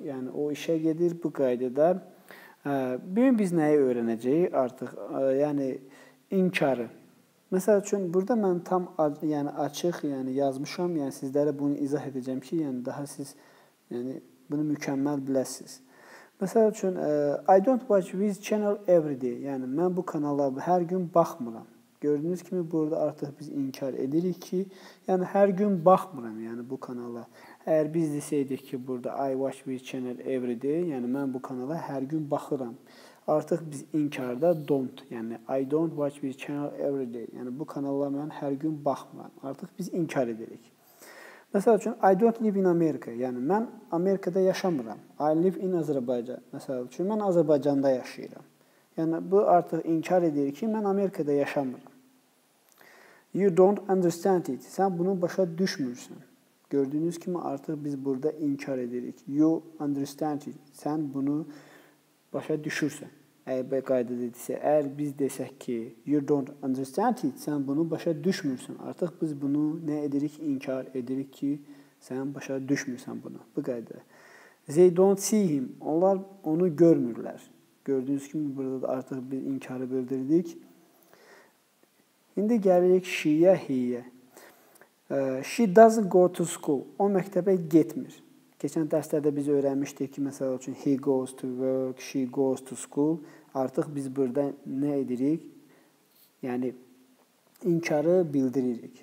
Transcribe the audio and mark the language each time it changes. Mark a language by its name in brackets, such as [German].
[Azerbaijani] Yəni o işə gedir bu qaydada. Bugün biz nəyi öyrənəcəyik artıq? Yəni inkarı. Məsəl üçün, burada mən tam yəni açıq yəni yazmışam, yəni sizlərə bunu izah edəcəm ki, yəni daha siz yəni bunu mükəmməl biləsiniz. Məsəl üçün, [English] I don't watch this channel every day. [Azerbaijani] Yəni, mən bu kanala hər gün baxmıram. Gördüyünüz kimi, burada artıq biz inkar edirik ki, yəni hər gün baxmıram yəni bu kanala. Əgər biz desəydik ki, burada [English] I watch this channel every day, [Azerbaijani] yəni mən bu kanala hər gün baxıram. [English] Artıq biz inkarda don't, yəni I don't watch this channel every day. [Azerbaijani] Yəni bu kanala mən hər gün baxmıram. Artıq biz inkar edirik. Məsəl üçün, [English] I don't live in America. [Azerbaijani] Yəni mən Amerikada yaşamıram. [English] I live in [Azerbaijani] Azerbaycan. Məsəl üçün, mən Azerbaycanda yaşayıram. Yəni bu artıq inkar edir ki, mən Amerikada yaşamıram. [English] You don't understand it. [Azerbaijani] Sən bunu başa düşmürsün. Gördüyünüz kimi artıq biz burada inkar edirik. [English] You understand it. [Azerbaijani] Sən bunu başa düşürsən, əyibə qayda dedisə, əgər biz desək ki, [English] you don't understand it, [Azerbaijani] sən bunu başa düşmürsün. Artıq biz bunu nə edirik, inkar edirik ki, sən başa düşmürsən bunu, bu qayda. [English] They don't see him, [Azerbaijani] onlar onu görmürlər. Gördüyünüz kimi, burada da artıq biz inkarı bildirdik. İndi gəlirik she-yə, he-yə. [English] She doesn't go to school, [Azerbaijani] o məktəbə getmir. Keçən dərslərdə biz öyrənmişdik ki, məsəl üçün, [English] he goes to work, she goes to school. [Azerbaijani] Artıq biz burada nə edirik? Yəni, inkarı bildiririk.